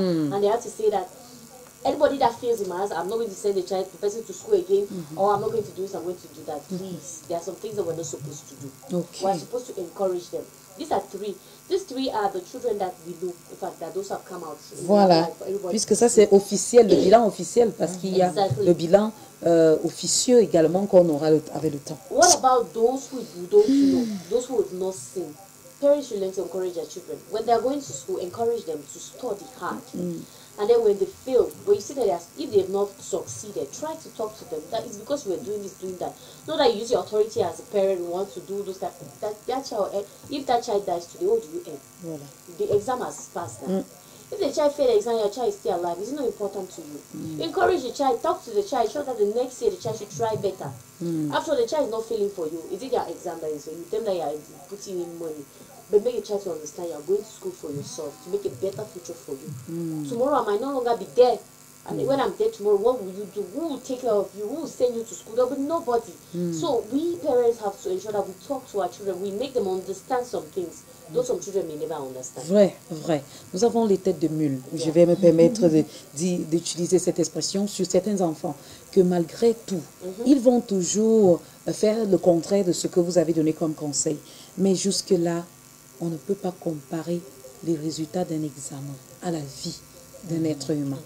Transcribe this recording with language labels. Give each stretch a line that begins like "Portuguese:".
English: And they have to say that anybody that fails in my house, I'm not going to send the child the person to school again or I'm not going to do this, I'm going to do that. Please, there are some things that we're not supposed to do. Okay. We're supposed to encourage them. These are three. These three are the children that we look, in fact, that those have come out.
French: Voilà. Puisque ça c'est officiel, le bilan officiel, parce qu'il y a le bilan officieux également qu'on aura avec le temps.
English: What about those who don't know, those who have not seen? Parents should learn to encourage their children. When they are going to school, encourage them to study hard. And then when they fail, when you see that they are, if they have not succeeded, try to talk to them. That is because we are doing this, doing that. Not that you use your authority as a parent and want to do those type of things. That child, if that child dies today, what do you end?
French: Voilà.
English: The exam has passed now. If the child failed the exam, your child is still alive. It's not important to you. Encourage the child, talk to the child, show that the next year the child should try better. After all, the child is not failing for you. Is it your exam that is, you tell them that you are putting in money. But make a child to understand you are going to school for yourself, to make a better future for you. Tomorrow I might no longer be there. And when I'm there tomorrow, what will you do? Who will take care of you? Who will send you to school? There will be nobody. So we parents have to ensure that we talk to our children, we make them understand some things.
French: Vrai, vrai. Nous avons les têtes de mule. Je vais me permettre d'utiliser cette expression sur certains enfants que malgré tout, ils vont toujours faire le contraire de ce que vous avez donné comme conseil. Mais jusque-là, on ne peut pas comparer les résultats d'un examen à la vie d'un être humain.